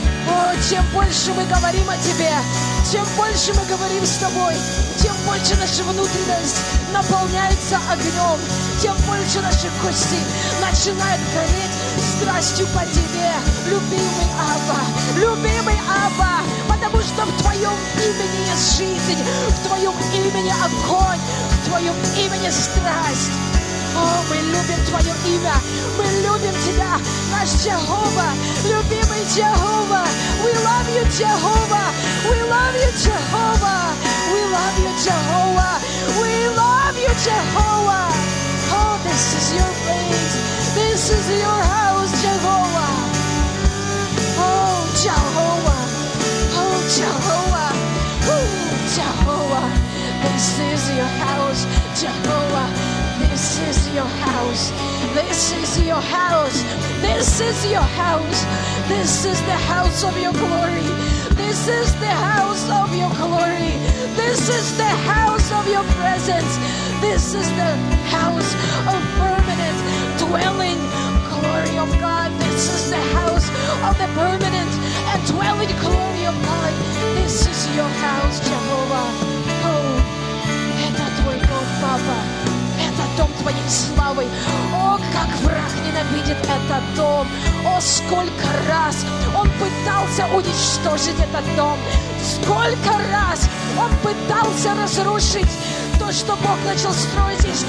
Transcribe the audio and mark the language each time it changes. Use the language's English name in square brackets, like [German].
[Russian] О, чем больше мы говорим о Тебе, чем больше мы говорим с Тобой, тем больше наша внутренность наполняется огнем, тем больше наши кости начинают гореть страстью по Тебе, любимый Аба, любимый Аба. Потому что в Твоем имени есть жизнь, в Твоем имени огонь, в Твоем имени страсть. О, мы любим Твое имя, мы любим Тебя, наш Джехова, любимый Джехова. [English] We love you, Джехова, we love you, Джехова, we love you, Джехова, we love you, Джехова. Oh, this is your place, this is your house, Джехова. Oh, Джехова. Jehovah, ooh, Jehovah, this is your house, Jehovah, this is your house, this is your house, this is your house, this is the house of your glory, this is the house of your glory, this is the house of your presence, this is the house of permanent dwelling glory of God, this is the house of the permanent and dwelling glory of God. This is your house, Jehovah. [Russian] Oh, это твой дом, Папа. Это дом твоей славы. О, как враг ненавидит этот дом. О, сколько раз он пытался уничтожить этот дом. Сколько раз он пытался разрушить то, что Бог начал строить здесь.